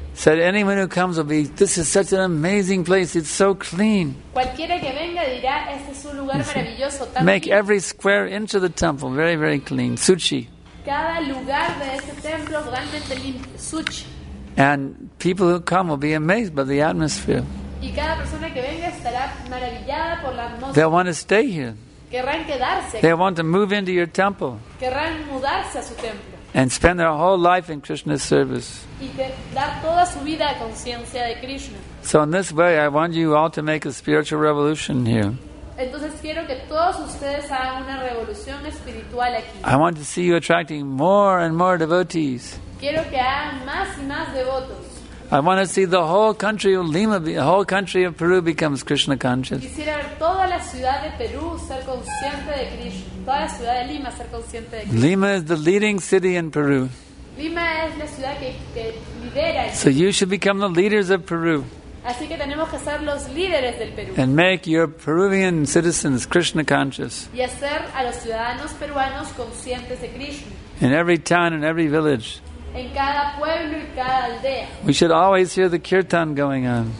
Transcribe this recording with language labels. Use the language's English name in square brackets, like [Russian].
[English] So that anyone who comes will be, this is such an amazing place, it's so clean. [Spanish] Cualquiera que venga dirá, este es un lugar maravilloso, tan [English] Make [Spanish] limpio. [English] Every square inch of the temple very, very clean. Suchi. [Spanish] Cada lugar de este templo realmente limpio. Suchi. [English] And people who come will be amazed by the atmosphere. [Spanish] Y cada persona que venga estará maravillada por la atmósfera. [English] They'll want to stay here. [Spanish] Querrán quedarse. [English] They want to move into your temple. [Spanish] Querrán mudarse a su templo. [English] And spend their whole life in Krishna's service. [Spanish] Y dar toda su vida a conciencia de Krishna. [English] So in this way, I want you all to make a spiritual revolution here. [Spanish] Entonces quiero que todos ustedes hagan una revolución espiritual aquí. [English] I want to see you attracting more and more devotees. [Spanish] Quiero que hagan más y más devotos. [English] I want to see the whole country of Lima, the whole country of Peru becomes Krishna conscious. [Spanish] Quisiera ver toda la ciudad de Perú ser consciente de Krishna. Toda la ciudad de Lima ser consciente de Krishna. [English] Lima is the leading city in Peru. [Spanish] Lima es la ciudad que lidera. [English] So you should become the leaders of Peru. [Spanish] Así que tenemos que ser los líderes del Perú. [English] And make your Peruvian citizens Krishna conscious. [Spanish] Y hacer a los ciudadanos peruanos conscientes de Krishna. [English] In every town and every village. [Spanish] En cada pueblo y cada aldea. [English] We should always hear the kirtan going on.